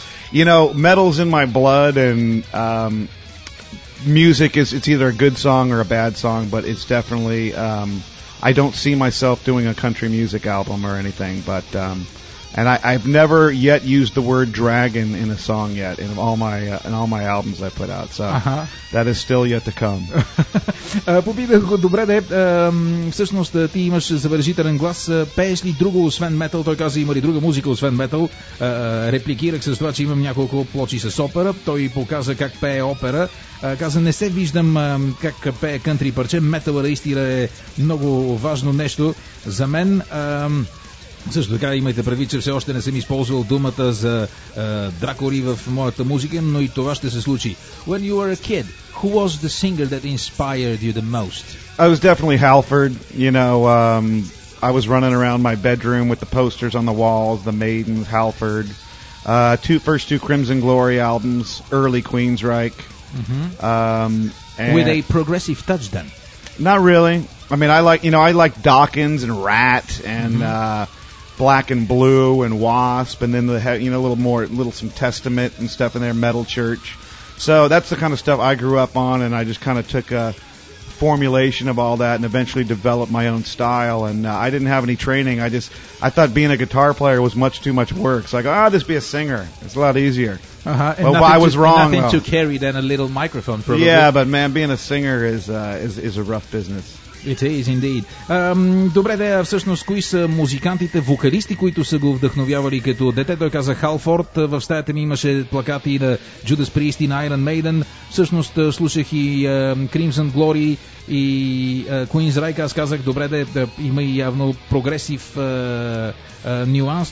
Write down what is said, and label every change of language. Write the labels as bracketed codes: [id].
[en] You know, metal's in my blood, and music is, it's either a good song or a bad song, but it's definitely, I don't see myself doing a country music album or anything, but, and I've never yet used the word dragon in a song yet, in all my albums I put out, so that is still yet to come. [bg] Попитах го, добре де, всъщност ти имаш завържителен глас, пееш ли друго освен метал? Той каза, има ли друга музика освен метал? Репликирах с това, че имам няколко плочи с опера, той показа как пее опера. Каза, не се виждам как пее кънтри парче, металът истина е много важно нещо за мен. Също така имайте предвид, че все още не съм използвал думата за дракори в моята музика, но и това ще се случи. [en] When you were a kid, who was the singer that inspired you the most? I was definitely Halford. You know, I was running around my bedroom with the posters on the walls, the Maidens, Halford. First two Crimson Glory albums, early Queensryche. Mm-hmm. With a progressive touch then? Not really. I mean, I like Dawkins and Rat and Black and Blue and Wasp, and then some Testament and stuff in there, Metal Church. So that's the kind of stuff I grew up on, and I just kind of took a formulation of all that and eventually developed my own style. And I didn't have any training. I thought being a guitar player was much too much work. So I go, just be a singer. It's a lot easier. But I was wrong. Nothing to carry than a little microphone, probably. Yeah, but man, being a singer is a rough business. It is indeed. [bg] Добре, да, всъщност, кои са музикантите, вокалисти, които са го вдъхновявали като дете? Той каза Халфорд. В стаята ми имаше плакати на Judas Priest и на Iron Maiden. Всъщност слушах и Crimson Glory и Queensryche. Аз казах, добре, да, има и явно прогресив нюанс.